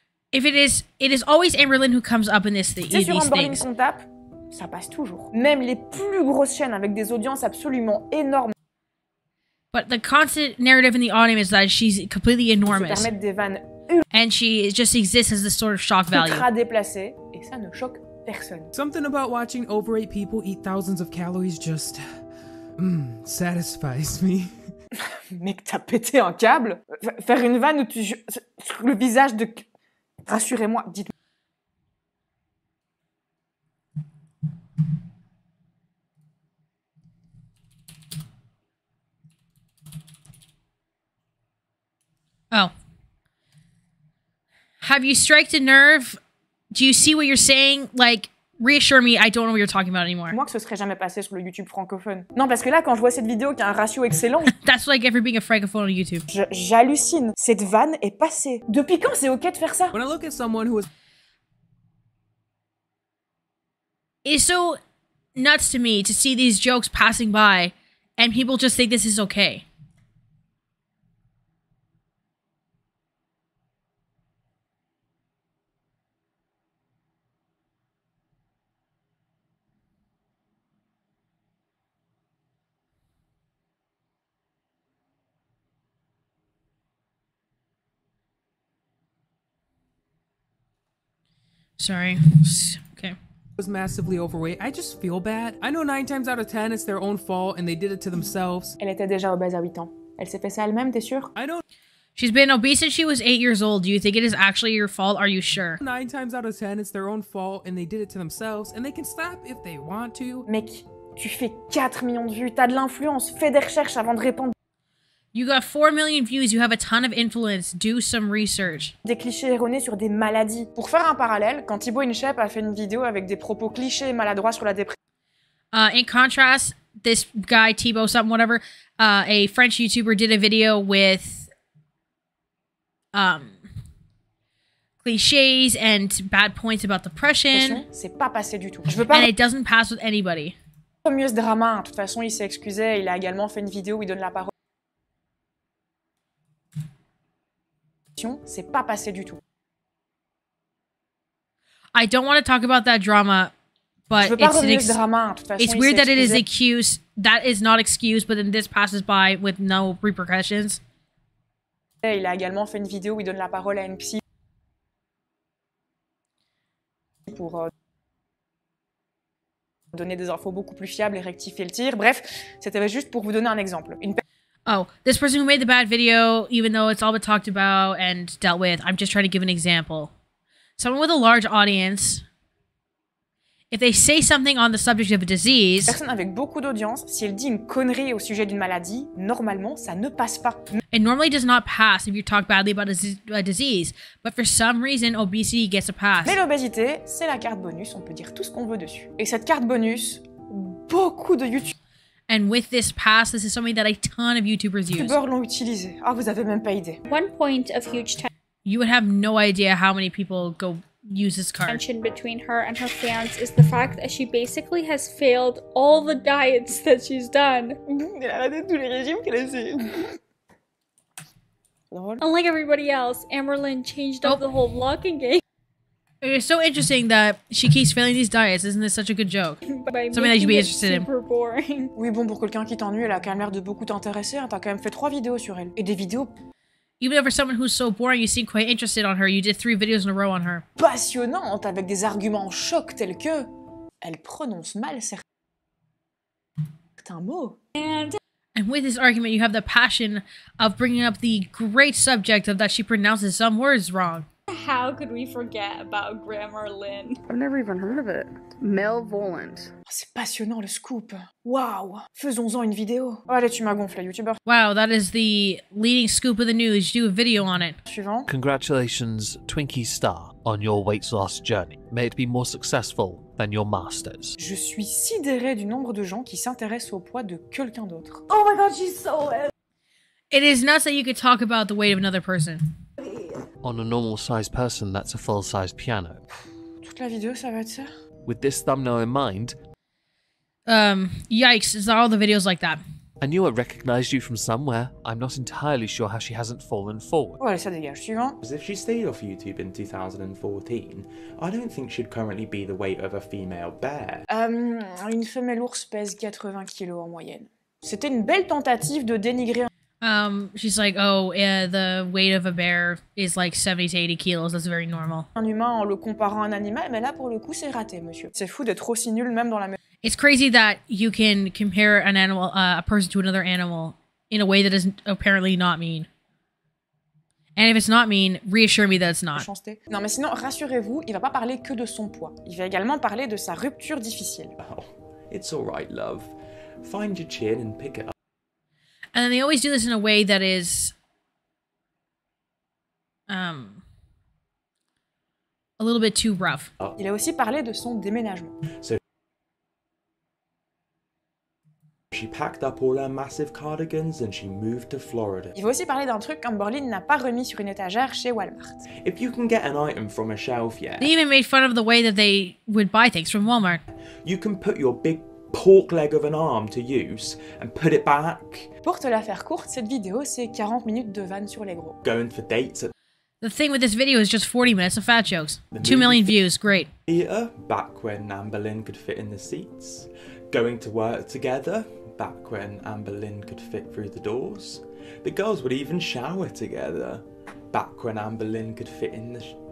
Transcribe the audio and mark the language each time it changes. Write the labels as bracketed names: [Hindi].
[English] If it is always Amberlynn who comes up in this thing. [French] C'est sur Amberlynn qu'on tape. Ça passe toujours. Même les plus grosses chaînes avec des audiences absolument énormes. [English] But the constant narrative in the audience is that she's completely enormous. [French] Ça permet des vannes. [English] And she just exists as this sort of shock value. [French] Ultra déplacée et ça ne choque personne. [English] Something about watching overweight people eat thousands of calories just satisfies me. [French] Mec, t'as pété un câble? Faire une vanne où tu... sur le visage de... Rassurez-moi, dites-moi. Oh. [English] Have you striked a nerve? Do you see what you're saying? Like, reassure me, I don't know what you're talking about anymore. [French] Moi, que ce serait jamais passé sur le YouTube francophone. Non, parce que là, quand je vois cette vidéo qui a un ratio excellent... [English] That's like ever being a francophone on YouTube. [French] J'hallucine. Cette vanne est passée. Depuis quand c'est ok de faire ça? [English] When I look at someone who is... It's so nuts to me to see these jokes passing by and people just think this is okay. Sorry. Okay. I was massively overweight. I just feel bad. I know 9 times out of 10 it's their own fault and they did it to themselves. [French] Elle était déjà obèse à 8 ans. Elle s'est fait ça elle-même, t'es sûr? [English] I know. She's been obese since she was 8 years old. Do you think it is actually your fault? Are you sure? 9 times out of 10 it's their own fault and they did it to themselves and they can stop if they want to. [French] Mec, tu fais 4 millions de vues, t'as de l'influence. Fais des recherches avant de répondre. [English] You got 4 million views, you have a ton of influence. Do some research. [French] Des clichés erronés sur des maladies. Pour faire un parallèle, quand Thibaut Inchep a fait une vidéo avec des propos clichés et maladroits sur la dépression. [English] In contrast, this guy, Thibaut something, whatever, a French YouTuber did a video with clichés and bad points about depression. [French] C'est pas passé du tout. [English] And it doesn't pass with anybody. [French] Pas mieux ce drama. De toute façon, il s'est excusé. Il a également fait une vidéo où il donne la parole. C'est pas passé du tout. [English] I don't want to talk about that drama, but it's an drama. It's weird that it is excuse. That is not excuse, but then this passes by with no repercussions. [French] Il a également fait une vidéo où il donne la parole à une psy pour donner des infos beaucoup plus fiables et rectifier le tir. Bref, c'était juste pour vous donner un exemple. [English] Oh, this person who made the bad video, even though it's all been talked about and dealt with, I'm just trying to give an example. Someone with a large audience, if they say something on the subject of a disease... [French] Personne avec beaucoup d'audience, si elle dit une connerie au sujet d'une maladie, normalement, ça ne passe pas. [English] It normally does not pass if you talk badly about a disease, but for some reason, obesity gets a pass. [French] Mais l'obésité, c'est la carte bonus, on peut dire tout ce qu'on veut dessus. Et cette carte bonus, beaucoup de YouTube... [English] And with this pass, this is something that a ton of YouTubers use. [French] YouTubers l'ont utilisé. Ah, vous avez même pas idée. [English] One point of huge tension. You would have no idea how many people go use this card. Tension between her and her fans is the fact that she basically has failed all the diets that she's done. [French] Elle a arrêté tous les régimes qu'elle a essayé. [English] Unlike everybody else, Amberlynn changed up the whole vlogging game. It's so interesting that she keeps failing these diets. Isn't this such a good joke? Something that you'd be interested in. Super boring. [French] Oui, bon, pour quelqu'un qui t'ennuie, elle a quand même l'air de beaucoup t'intéresser. T'as quand même fait 3 vidéos sur elle. Et des vidéos... [English] Even though for someone who's so boring, you seem quite interested on her. You did 3 videos in a row on her. [French] Passionnante, avec des arguments choc tels que... Elle prononce mal certains mots. [English] And with this argument, you have the passion of bringing up the great subject of that she pronounces some words wrong. How could we forget about Grammarlynn? I've never even heard of it. Mel Volant. [French] Oh, c'est passionnant le scoop. Wow. Faisons-en une vidéo. Oh, allez, tu m'as gonflé, YouTuber. [English] Wow, that is the leading scoop of the news. Do a video on it. [French] Suivant. [English] Congratulations, Twinkie Star, on your weight loss journey. May it be more successful than your master's. [French] Je suis sidéré du nombre de gens qui s'intéressent au poids de quelqu'un d'autre. [English] Oh my god, she's so ill. It is nuts that you could talk about the weight of another person. On a normal-sized person, that's a full-sized piano. [French] Toute la vidéo, ça va être ça? [English] With this thumbnail in mind... Yikes, is that all the videos like that? I knew I recognized you from somewhere. I'm not entirely sure how she hasn't fallen forward. [French] Oh, allez, ça dégage, suivant. [English] Because if she stayed off YouTube in 2014, I don't think she'd currently be the weight of a female bear. [French] Une femelle ours pèse 80 kilos en moyenne. C'était une belle tentative de dénigrer... [English] She's like, oh, yeah, the weight of a bear is like 70 to 80 kilos, that's very normal. [French] Un humain en le comparant à un animal, mais là, pour le coup, c'est raté, monsieur. C'est fou d'être aussi nul, même dans la même... [English] It's crazy that you can compare an animal, a person to another animal, in a way that is apparently not mean. And if it's not mean, reassure me that it's not. [French] Non, mais sinon, rassurez-vous, il va pas parler que de son poids. Il va également parler de sa rupture difficile. [English] Oh, it's all right, love. Find your chin and pick it up. And then they always do this in a way that is... a little bit too rough. [French] Oh. Il a aussi parlé de son déménagement. [English] So she packed up all her massive cardigans and she moved to Florida. [French] Il va aussi parler d'un truc qu'Amberlynn n'a pas remis sur une étagère chez Walmart. [English] If you can get an item from a shelf, yeah. They even made fun of the way that they would buy things from Walmart. You can put your big pork leg of an arm to use and put it back. [French] Pour te la faire courte, cette vidéo c'est 40 minutes de vannes sur les gros. [English] Going for dates. The thing with this video is just 40 minutes of fat jokes. 2 million views, great. Theater, back when Amberlynn could fit in the seats. Going to work together, back when Amberlynn could fit through the doors. The girls would even shower together, back when Amberlynn could fit in the...